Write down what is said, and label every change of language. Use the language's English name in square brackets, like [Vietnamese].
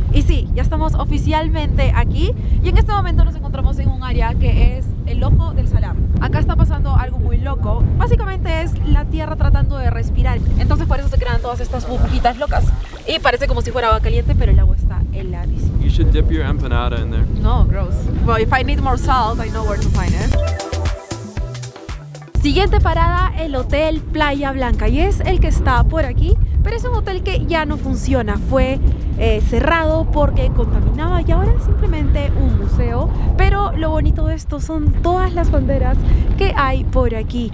[Spanish] Y sí, ya estamos oficialmente aquí. Y en este momento nos encontramos en un área que es el ojo del Salar. Acá está pasando algo muy loco. Básicamente es la tierra tratando de respirar. Entonces por eso se crean todas estas burbujitas locas. Y parece como si fuera agua caliente, pero el agua está heladísima. [English] You should dip your empanada in there. No, gross. Well, if I need more salt, I know where to find it. [Spanish] Siguiente parada, el Hotel Playa Blanca, y es el que está por aquí, pero es un hotel que ya no funciona, fue cerrado porque contaminaba y ahora es simplemente un museo, pero lo bonito de esto son todas las banderas que hay por aquí.